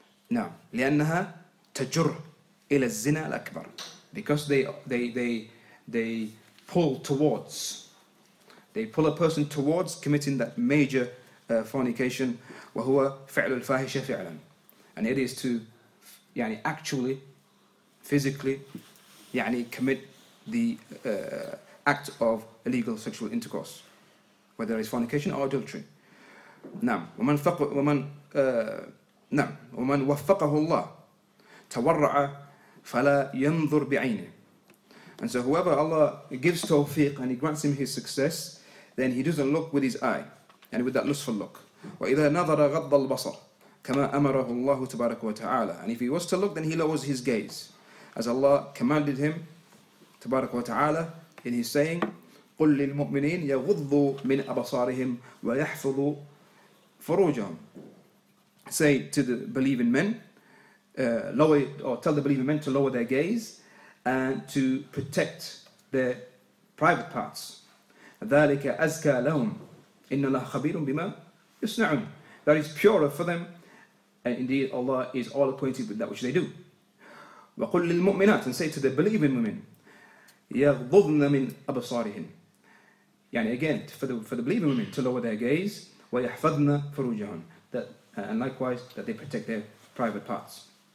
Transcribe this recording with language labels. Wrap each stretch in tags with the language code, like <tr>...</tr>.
<en>Now,</en> <ar>لِأَنَّهَا تَجُرْ إِلَى الزِّنَا الْأَكْبَرِ,</ar> <en>because they pull towards, they pull a person towards committing that major fornication,</en> <ar>وَهُوَ فِعْلُ الْفَاهِشَ فِعْلًا,</ar> <en>and it is to yani, actually, physically yani, commit the act of illegal sexual intercourse, whether it's fornication or adultery.</en> <ar>نعم ومن فق ومن نعم ومن وفقه الله تورع فلا ينظر بعينه.</ar> <en>And so whoever Allah gives tawfiq and He grants him His success, then he doesn't look with his eye and with that lustful look.</en> <ar>وإذا نظر غض البصر كما أمره الله تبارك وتعالى.</ar> <en>And if he was to look, then he lowers his gaze, as Allah commanded him</en> <ar>تبارك وتعالى</ar> <en>in His saying,</en> <ar>قل للمؤمنين يغضوا من أبصارهم ويحفظوا فروجهم.</ar> <en>Say to the believing men, tell the believing men to lower their gaze and to protect their private parts.</en> <ar>ذلك أزكى لهم إن الله خبير بما يصنعون.</ar> <en>That is purer for them, and indeed Allah is all acquainted with that which they do.</en> <ar>وقل للمؤمنات,</ar> <en>and say to the believing women,</en> <ar>يغضضن من أبصارهن.</ar> <en>Yani again, for the believing women to lower their gaze.</en> <ar>وَيَحْفَظْنَا فُرُوجَهُمْ,</ar> <en>and likewise, that they protect their private parts.</en>